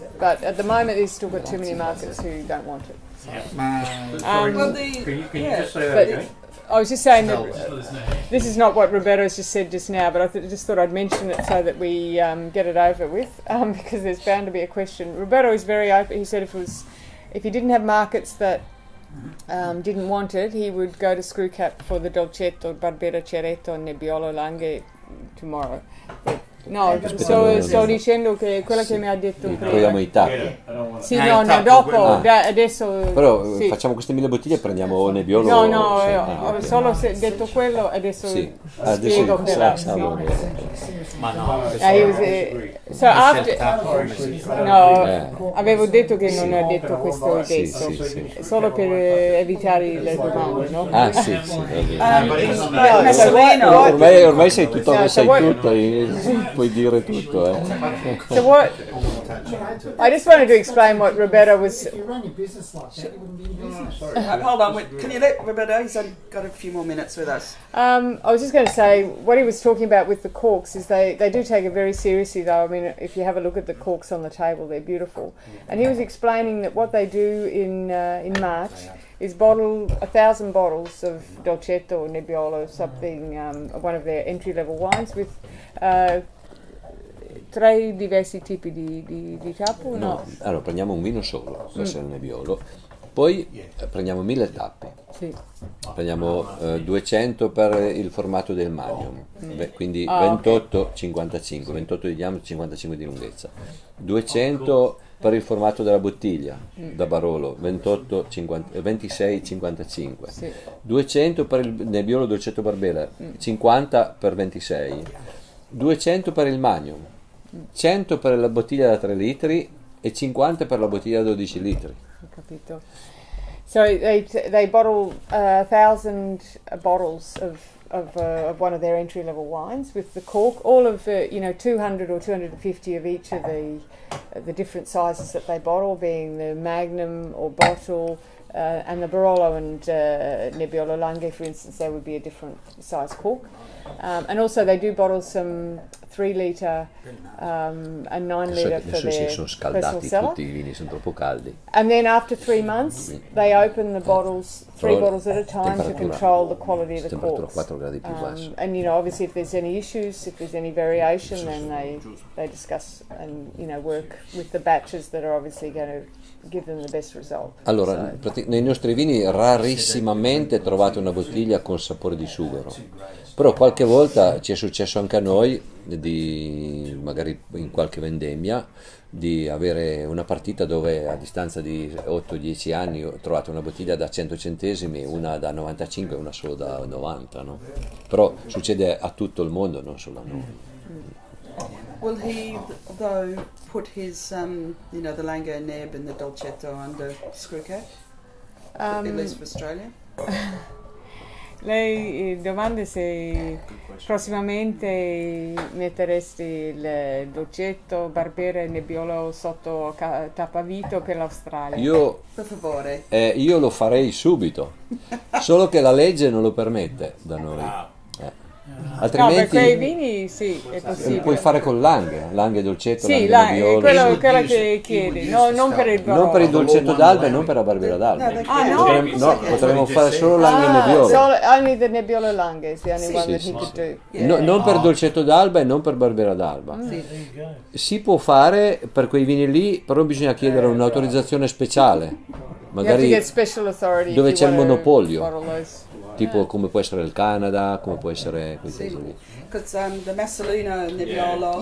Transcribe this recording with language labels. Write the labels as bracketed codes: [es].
[en] But at the moment, they've still got too many markets who don't want it. I was just saying that this is not what Roberto has just said just now, but I just thought I'd mention it so that we get it over with, because there's bound to be a question. Roberto is very open. He said if he didn't have markets that didn't want it, he would go to Screwcap for the Dolcetto, Barbera, Cerretto, Nebbiolo, Lange tomorrow. But [it] No, sto dicendo che quella sì. Che mi ha detto prima. Proviamo i tappi. Sì, no, no, dopo, adesso... Però sì. Facciamo queste 1000 bottiglie e prendiamo Nebbiolo. No, no, ho solo se detto quello, adesso sì. Adesso spiego per la... Sì. Ma no, [en] so after, [it] no avevo detto che non ha detto questo adesso, sì, sì, sì. Solo per evitare le domande, no? Ah, sì, sì, va bene. Ormai sei tutto, sai tutto, puoi dire tutto, [en] So what, I just wanted to explain what Roberto was... Hold on, wait, can you let Roberto, he's got a few more minutes with us. I was just going to say, what he was talking about with the corks is they do take it very seriously though. I mean, if you have a look at the corks on the table, they're beautiful. And he was explaining that what they do in March is bottle 1,000 bottles of Dolcetto or Nebbiolo, something, one of their entry-level wines with... [it] tre diversi tipi di tappo, no? Allora prendiamo un vino solo, questo è un Nebbiolo, poi prendiamo 1000 tappi, sì. Prendiamo 200 per il formato del Magnum, quindi 28-55, 28 di diametro, 55 di lunghezza, 200 per il formato della bottiglia da Barolo, 26-55, sì. 200 per il Nebbiolo Dolcetto Barbera, 50 per 26, 200 per il Magnum, 100 per la bottiglia da 3 litri e 50 per la bottiglia da 12 litri. Ho capito. [en] So they bottle 1,000 bottles of one of their entry level wines with the cork, all of 200 or 250 of each of the different sizes that they bottle, being the Magnum or bottle. And the Barolo and Nebbiolo Lange, for instance, they would be a different size cork. And also they do bottle some 3 litre and 9 litre for their personal cellar. [it] Tutti I vini sono troppo caldi. [en] And then after 3 months, they open the bottles, three bottles at a time to control the quality of the corks. [it] 4 gradi più basso. [en] And you know, obviously if there's any issues, if there's any variation, then they discuss and work with the batches that are obviously going to give them the best result. [it] Allora, nei nostri vini rarissimamente trovate una bottiglia con sapore di sughero, però qualche volta ci è successo anche a noi, di magari in qualche vendemmia, di avere una partita dove a distanza di 8-10 anni ho trovato una bottiglia da 100 centesimi, una da 95 e una solo da 90, no? Però succede a tutto il mondo, non solo a noi. [en] Will he though put his the Lange Neb and the Dolcetto under Screwcap? At least for Australia. [it] Lei domanda se prossimamente metteresti il Dolcetto, Barbera e Nebbiolo sotto tappavito per l'Australia. Io, per favore. Io lo farei subito, solo che la legge non lo permette da noi. Altrimenti no, per quei vini sì, è possibile. Puoi fare con Lange Dolcetto, sì, Lange Nebbiolo. Sì, quella che chiedi, no, non per il Barolo. Non per il Dolcetto d'Alba e non per la Barbera d'Alba. No, ah, no? Potremmo fare solo Lange Nebbiolo. [en] Only the Nebbiolo Lange is the only one that he could do. [it] Non per Dolcetto d'Alba e non per Barbera d'Alba. Si può fare per quei vini lì, però bisogna chiedere un'autorizzazione speciale. Magari dove c'è il monopolio. Tipo come può essere il Canada, come può essere quel tipo lì. [en] The Masterclass Nebbiolo.